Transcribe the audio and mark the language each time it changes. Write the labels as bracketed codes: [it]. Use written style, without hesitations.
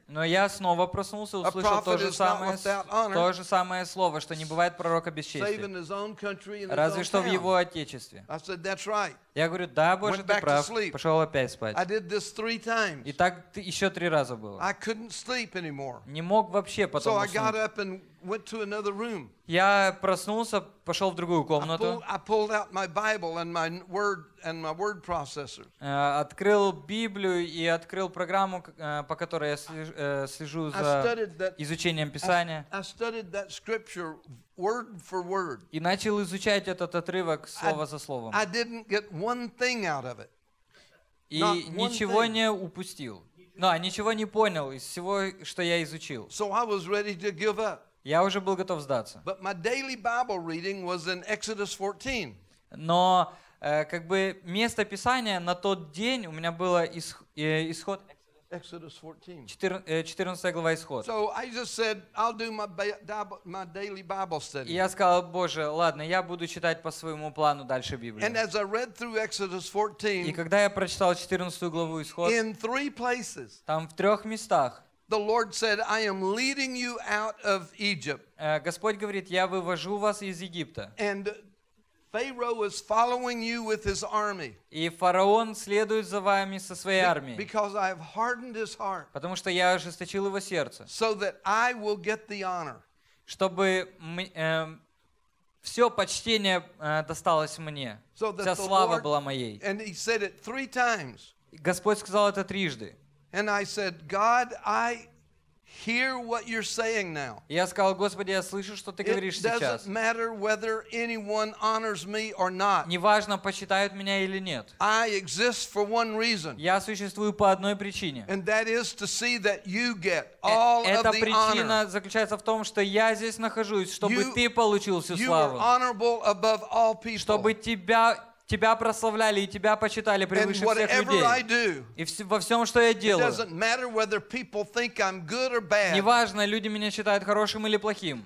[ru] Но я снова проснулся, услышал то же самое слово, что не бывает пророка без чести, разве что в его отечестве. Я говорю, да, Боже, ты прав, пошел опять спать. И так еще три раза было. Не мог вообще потом уснуть. [en] Went to another room. [ru] Я проснулся, пошел в другую комнату. [en] I pulled out my Bible and my word processor. [ru] Открыл Библию и открыл программу, по которой я слежу за изучением Писания. [en] I studied that scripture word for word. [ru] И начал изучать этот отрывок слово за словом. [en] I didn't get one thing out of it. [ru] И ничего не упустил. Ну, а ничего не понял из всего, что я изучил. [en] So I was ready to give up. [ru] Я уже был готов сдаться. [en] But my daily Bible reading was in Exodus 14. [ru] Но как бы место Писания на тот день у меня было исход. [en] Exodus 14. [ru] 14 глава исход. [en] So I just said, I'll do my daily Bible study. [ru] И я сказал, Боже, ладно, я буду читать по своему плану дальше Библию. [en] And as I read through Exodus 14, [ru] и когда я прочитал 14 главу исход, [en] in three places, [ru] там в трех местах. [en] The Lord said, "I am leading you out of Egypt." [ru] Господь говорит, я вывожу вас из Египта. [en] And Pharaoh is following you with his army. [ru] И фараон следует за вами со своей армией. [en] Because I have hardened his heart. [ru] Потому что я ожесточил его сердце. [en] So that I will get the honor. [ru] Чтобы все почтение досталось мне. Вся слава была моей. [en] And he said it three times. [ru] Господь сказал это трижды. [en] And I said, God, I hear what you're saying now. [ru] Я сказал, Господи, я слышу, что ты говоришь сейчас. [en] It doesn't matter whether anyone honors me or not. [ru] Неважно, почитают меня или нет. [en] I exist for one reason. [ru] Я существую по одной причине. [en] And that is to see that you get all of the honor. [ru] Эта причина заключается в том, что я здесь нахожусь, чтобы ты получил всю славу. [en] You are honorable above all people. [ru] Чтобы тебя прославляли и тебя почитали превыше [en] and [ru] всех людей. [en] Do, [ru] и во всем, что я делаю. Неважно, люди меня считают хорошим или плохим.